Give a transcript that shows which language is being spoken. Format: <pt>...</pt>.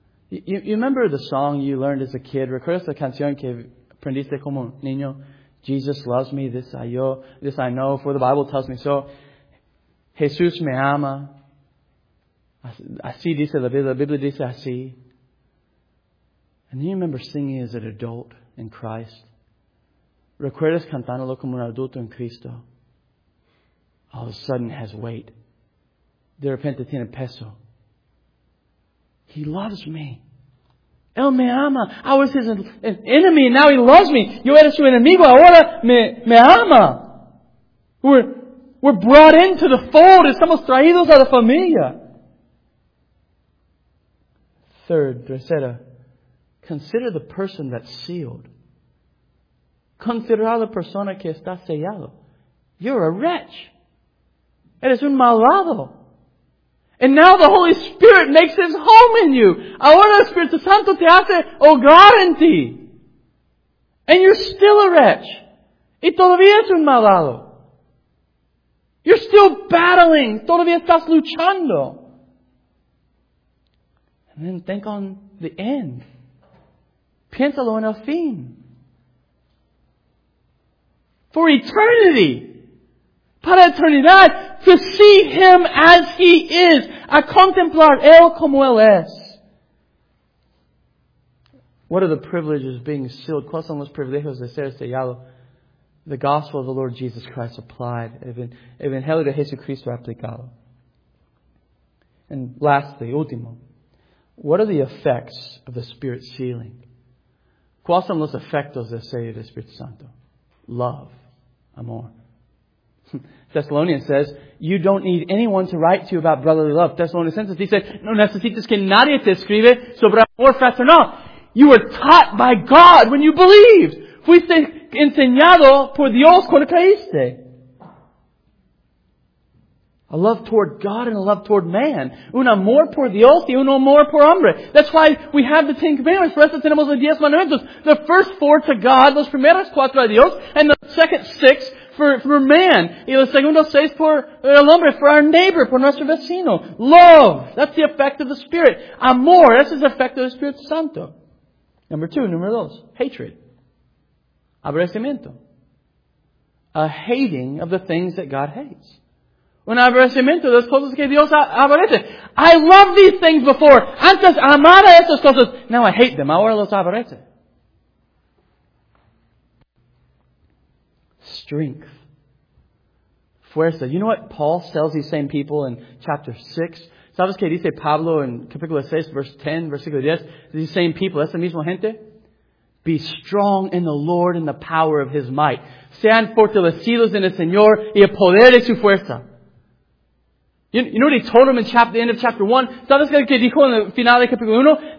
<en>You remember the song you learned as a kid?</en> <es>¿Recuerdas la canción que aprendiste como niño?</es> <en>Jesus loves me, this I know, for the Bible tells me so.</en> <es>Jesús me ama. Así dice la Biblia. La Biblia dice así.</es> <en>And you remember singing as an adult in Christ?</en> <es>¿Recuerdas cantándolo como un adulto en Cristo?</es> <en>All of a sudden has weight.</en> <es>De repente tiene peso.</es> <en>He loves me.</en> <es>Él me ama.</es> <en>I was his enemy, now he loves me.</en> <es>Yo era su enemigo, ahora me ama.</es> <en>We're brought into the fold.</en> <es>Estamos traídos a la familia.</es> <en>Third, tercera, consider the person that's sealed.</en> <es>Considera la persona que está sellado.</es> <en>You're a wretch.</en> <es>Eres un malvado.</es> <en>And now the Holy Spirit makes His home in you.</en> <es>Ahora el Espíritu Santo te hace hogar en ti.</es> <en>And you're still a wretch.</en> <es>Y todavía es un malvado.</es> <en>You're still battling.</en> <es>Todavía estás luchando.</es> <en>And then think on the end.</en> <es>Piénsalo en el fin.</es> <en>For eternity.</en> <es>Para eternidad,</es> <en>to see Him as He is,</en> <es>a contemplar Él como Él es.</es> <en>What are the privileges of being sealed?</en> <es>¿Cuáles son los privilegios de ser sellado?</es> <en>The gospel of the Lord Jesus Christ applied.</en> <es>Evangelio de Jesucristo aplicado.</es> <en>And lastly, último, what are the effects of the Spirit sealing?</en> <es>¿Cuáles son los efectos del sello del Espíritu Santo?</es> <en>Love, amor. Thessalonians says, you don't need anyone to write to you about brotherly love.</en> <es>Thessalonians dice, no necesitas que nadie te escribe sobre amor fraternal.</es> <en>You were taught by God when you believed.</en> <es>Fuiste enseñado por Dios cuando creíste.</es> <en>A love toward God and a love toward man.</en> <es>Un amor por Dios y un amor por hombre.</es> <en>That's why we have the Ten Commandments. For us,</en> <es>tenemos los 10 mandamientos.</es> <en>The first 4 to God,</en> <es>los primeros 4 a Dios,</es> <en>and the second 6 for man.</en> <es>Y los segundos 6 por el hombre,</es> <en>for our neighbor,</en> <es>por nuestro vecino. Love.</es> <en>That's the effect of the Spirit. Amor. That's the effect of the Spirit Santo. Número 2. Hatred. Aborrecimiento. A hating of the things that God hates.</en> <es>Un aborrecimiento de las cosas que Dios aborrece.</es> <en>I love these things before.</en> <es>Antes amaba estas cosas. Now I hate them. Ahora los aborrece.</es> <en>Strength. Fuerza. You know what Paul tells these same people in chapter 6?</en> <es>¿Sabes qué dice Pablo en capítulo 6, verse 10, versículo 10?</es> <en>These same people,</en> <es>esa misma gente.</es> <en>Be strong in the Lord and the power of His might.</en> <es>Sean fortalecidos en el Señor y el poder de su fuerza.</es> <en>You know what he told him in the end of chapter 1?</en> <es>¿Sabes qué dijo en el final de capítulo 1?</es>